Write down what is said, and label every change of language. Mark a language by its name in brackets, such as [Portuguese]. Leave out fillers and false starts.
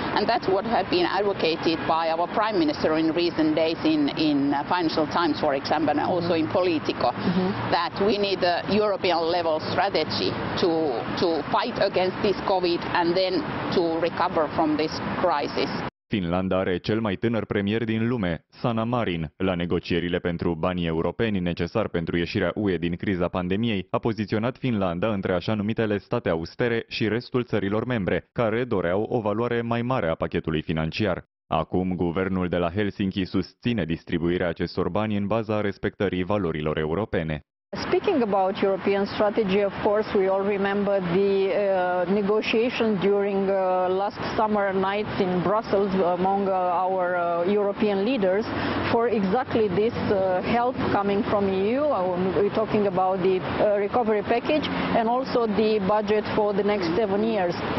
[English] And that's what has been advocated by our Prime Minister in recent days in Financial Times, for example, and also in Politico, that we need a European level strategy to fight against this COVID and then to recover from this crisis. [Romanian] Finlanda are cel mai tânăr premier din lume, Sanna Marin. La negocierile pentru banii europeni necesari pentru ieșirea UE din criza pandemiei, a poziționat Finlanda între așa numitele state austere și restul țărilor membre, care doreau o valoare mai mare a pachetului financiar. Acum, guvernul de la Helsinki susține distribuirea acestor bani în baza respectării valorilor europene. [English] Speaking about European strategy, of course, we all remember the negotiations during last summer nights in Brussels among our European leaders for exactly this help coming from EU. We're talking about the recovery package and also the budget for the next 7 years.